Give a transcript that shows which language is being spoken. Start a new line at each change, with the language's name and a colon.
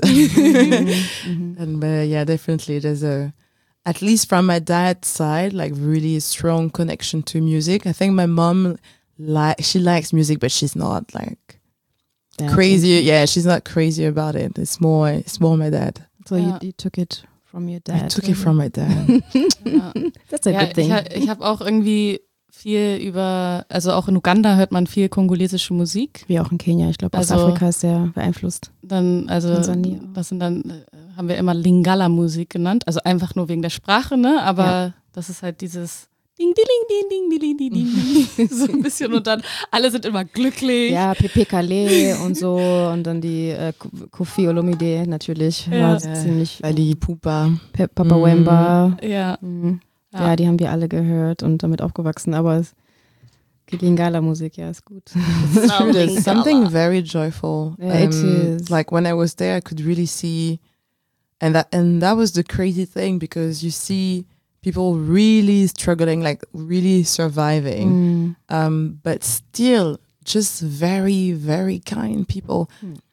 English: Mm-hmm. Mm-hmm. And yeah, definitely there's at least from my dad's side, like really strong connection to music. I think my mom, she likes music, but she's not like crazy. Yeah, she's not crazy about it. It's more my dad. So you took it from your dad. I took it from my dad. That's a good thing.
German: Ich habe auch irgendwie viel über, also auch in Uganda hört man viel kongolesische Musik. Wie auch in Kenia. Ich glaube, Ostafrika ist sehr beeinflusst. Dann, also, das sind dann, haben wir immer Lingala-Musik genannt. Also einfach nur wegen der Sprache, ne? Aber das ist halt dieses Ding, ding, ding, ding, ding, ding, ding, ding, ding. So ein bisschen und dann alle sind immer glücklich. Ja, Pepekale und so und dann die Kofi Olomide natürlich. Ja. Ziemlich weil die Pupa. Papa Wemba. Ja. Mhm. Ja, die haben wir alle gehört und damit aufgewachsen, aber es geht Lingala-Musik, ja, ist gut.
English: It's something very joyful. Yeah, it is. Like when I was there, I could really see and that was the crazy thing because you see people really struggling, like really surviving, but still just very, very kind people. Mm.